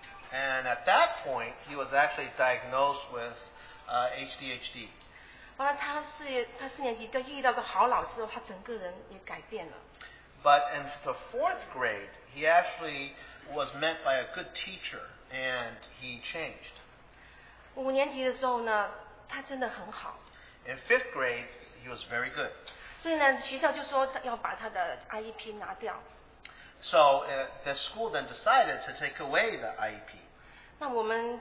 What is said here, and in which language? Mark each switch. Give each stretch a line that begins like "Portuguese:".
English: And at that point, he was actually diagnosed with ADHD.
Chinese: 后来他四年级就遇到个好老师，他整个人也改变了。
English: But in the fourth grade, he actually was met by a good teacher, and he changed.
Chinese: 五年级的时候呢，他真的很好。
English: In fifth grade, he was very good.
Chinese: 所以呢，学校就说要把他的IEP拿掉。
English: So the school then decided to take away the IEP.